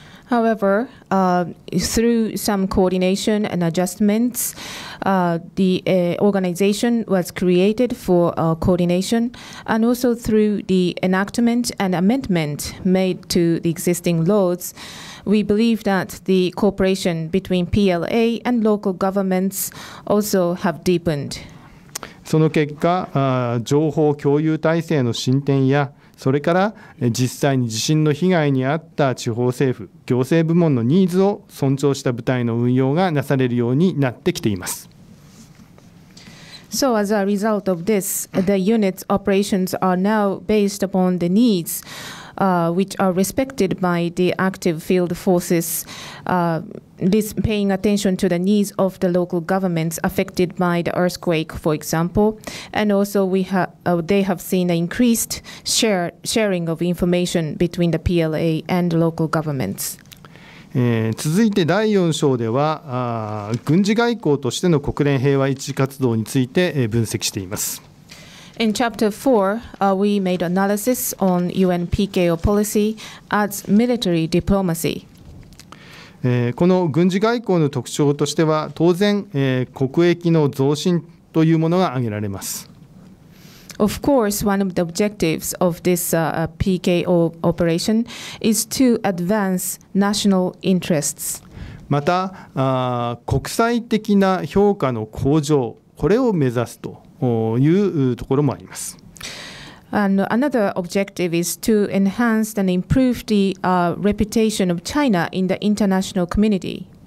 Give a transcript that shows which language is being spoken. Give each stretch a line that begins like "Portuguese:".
English: However, through some coordination and adjustments, the organization was created for coordination, and also through the enactment and amendment made to the existing laws, we believe that the cooperation between PLA and local governments also have deepened.
Japanese: その結果、情報共有体制の進展やそれから実際に地震の被害に遭った地方政府行政部門のニーズを尊重した部隊の運用がなされるようになってきています。
English: So as a result of this, the unit's operations are now based upon the needs, which are respected by the active field forces, this paying attention to the needs of the local governments affected by the earthquake, for example, and also they have seen an increased sharing of information between the PLA and local governments.
Japanese: 続いて第4章では軍事外交としての国連平和維持活動について分析しています。
English: In chapter 4, we made analysis on UN PKO policy as military diplomacy.
Japanese: この軍事外交の特徴としては、当然、国益の増進というものが挙げられます。
English: Of course, one of the objectives of this PKO operation is to advance national interests.
Japanese: また、国際的な評価の向上、これを目指すと。というところもあります。
English: And another objective is to enhance and improve the reputation of China in the international community.